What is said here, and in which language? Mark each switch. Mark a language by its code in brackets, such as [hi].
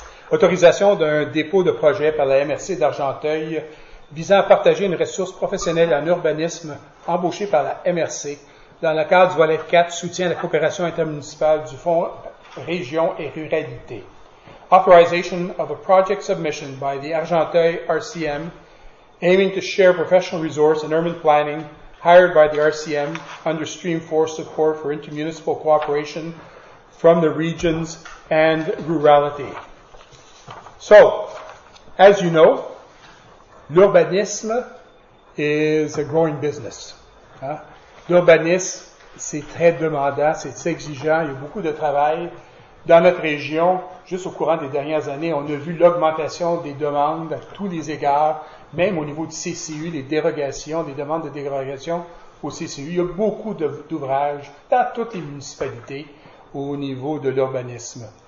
[fr] Autorisation d'un dépôt de projet par la MRC d'Argenteuil visant à partager une ressource professionnelle en urbanisme embauchée par la MRC dans le cadre du volet 4 soutien à la coopération intermunicipale du Fonds Région et Ruralité. [en] Authorization of a project submission by the Argenteuil RCM aiming to share professional resource in urban planning hired by the RCM under Stream 4 support for intermunicipal cooperation from the regions and rurality. So, as you know, l'urbanisme is a growing business. Hein? [fr] L'urbanisme, c'est très demandant, c'est exigeant, il y a beaucoup de travail. Dans notre région, juste au courant des dernières années, on a vu l'augmentation des demandes à tous les égards, même au niveau du CCU, les dérogations, les demandes de dérogation au CCU. Il y a beaucoup d'ouvrages dans toutes les municipalités au niveau de l'urbanisme.